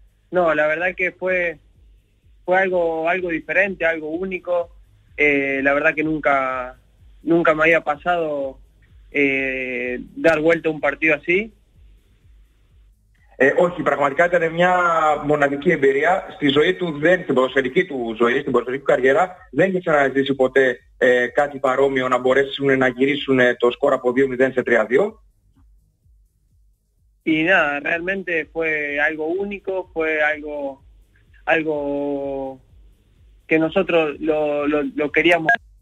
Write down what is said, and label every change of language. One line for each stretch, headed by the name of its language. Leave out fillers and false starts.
Spanish: No, la verdad que fue algo diferente, algo único. La verdad que nunca me había pasado dar vuelta un partido así.
Greek: Όχι, πραγματικά ήταν μια μοναδική εμπειρία στη ζωή του, στην ποδοσφαιρική του καριέρα. Δεν είχε ξαναζητήσει ποτέ κάτι παρόμοιο να μπορέσουν να γυρίσουν το σκορ από 2-0 σε 3-2.
Spanish: Y nada, realmente fue algo único, fue algo que nosotros lo queríamos.